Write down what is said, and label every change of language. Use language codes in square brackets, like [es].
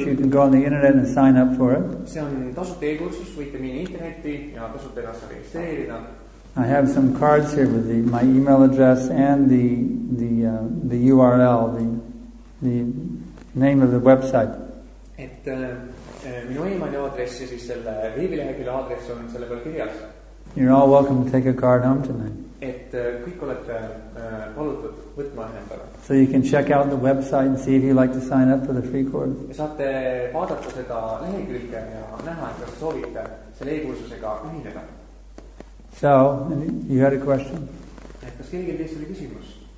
[en] You can go on the internet and sign up for it. I have some cards here with my email address and the URL, the name of the website. [et] Et minu e-maili aadress ja siis selle veebilehekülje aadress on selle peal kirjas. [en] You're all welcome to take a card home tonight. [et] Et kõik olete palutud võtma endale. [en] So you can check out the website and see if you like to sign up for the free course. [et] Ja saate vaadata seda lehekülge ja näha, et kas soovite selle e-kursusega ühineda. [en] So, you had a question. [et] Et kas keegi teist oli küsimus?